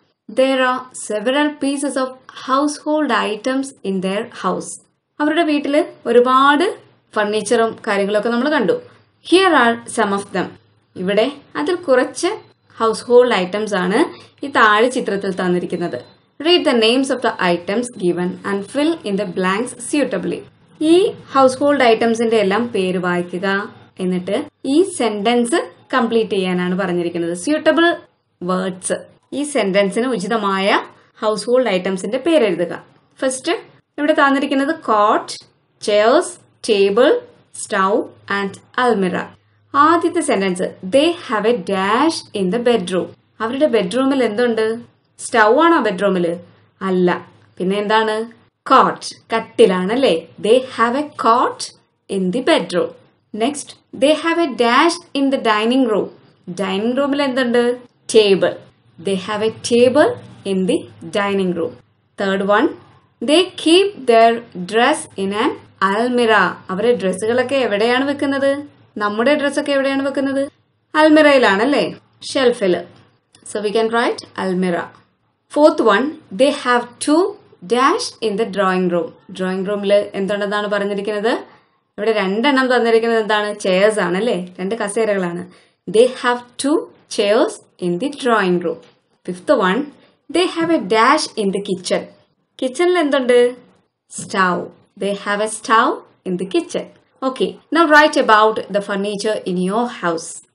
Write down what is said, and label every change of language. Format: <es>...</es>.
<en>There are several pieces of household items in their house.</en> <ml>അവരുടെ വീട്ടിൽ ഒരുപാട് ഫർണിച്ചറും കാര്യങ്ങളൊക്കെ നമ്മൾ കണ്ടു.</ml> <en>Here are some of them.</en> <ml>ഇവിടെ അതിൽ കുറച്ച് ഹൗസ്ഹോൾഡ് ഐറ്റംസ് ആണ് ഈ താഴെ ചിത്രത്തിൽ തന്നിരിക്കുന്നത്.</ml> <en>Read the names of the items given and fill in the blanks suitably.</en> <ml>ഈ ഹൗസ്ഹോൾഡ് ഐറ്റംസിന്റെ എല്ലാം പേര് വായിക്കുക, എന്നിട്ട് ഈ സെന്റൻസ് കംപ്ലീറ്റ് ചെയ്യാനാണ് പറഞ്ഞിരിക്കുന്നത്. സ്യൂട്ടബിൾ വേർഡ്സ്, ഈ സെന്റൻസിന് ഉചിതമായ ഹൗസ്ഹോൾഡ് ഐറ്റംസിന്റെ പേരെഴുതുക. ഫസ്റ്റ് ഇവിടെ തന്നിരിക്കുന്നത് coat, chairs, table, stove and അൽമിറ. ആദ്യത്തെ sentence,</ml> <en>They have a dash in the bedroom.</en> <ml>അവരുടെ ബെഡ്റൂമിൽ എന്തുണ്ട്? സ്റ്റൗ ആണോ ബെഡ്റൂമിൽ? അല്ല. പിന്നെ എന്താണ്?</ml> <en>cot,</en> <ml>കട്ടിലാണല്ലേ.</ml> <en>They have a cot in the bedroom. Next, they have a dash in the dining room.</en> <ml>Dining റൂമിൽ എന്തുണ്ട്?</ml> <en>Table. They have a table in the dining room. Third one, they keep their dress in an almira.</en> <ml>അവരെ ഡ്രസ്സുകളൊക്കെ എവിടെയാണ് വെക്കുന്നത്? നമ്മുടെ ഡ്രസ്സൊക്കെ എവിടെയാണ് വെക്കുന്നത്? അൽമിറയിലാണല്ലേ, ഷെൽഫിൽ.</ml> <en>So we can write almira. Fourth one, they have two dash in the drawing room.</en> <ml>Drawing റൂമിൽ എന്തുണ്ടെന്നാണ് പറഞ്ഞിരിക്കുന്നത്? ഇവിടെ രണ്ടെണ്ണം തന്നിരിക്കുന്നത് എന്താണ്? ചെയർസ് ആണല്ലേ, രണ്ട് കസേരകളാണ്.</ml> <en>They have two chairs in the drawing room. Fifth one, they have a dash in the kitchen.</en> <ml>Kitchen la endundu?</ml> <en>Stove. They have a stove in the kitchen. Okay, now write about the furniture in your house.</en>